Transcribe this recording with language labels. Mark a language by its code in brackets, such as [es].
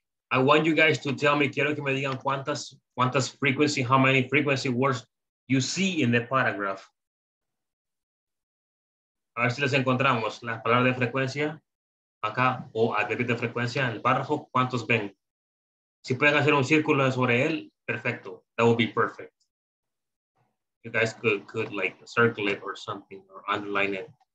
[en] I want you guys to tell me, [es] quiero que me digan cuántas [en] frequency, how many frequency words you see in the paragraph. [es] A ver si les encontramos las palabras de frecuencia acá o adverbios de frecuencia en el párrafo, ¿cuántos ven? Si pueden hacer un círculo sobre él, perfecto. [en] That would be perfect. You guys could like circle it or something or underline it.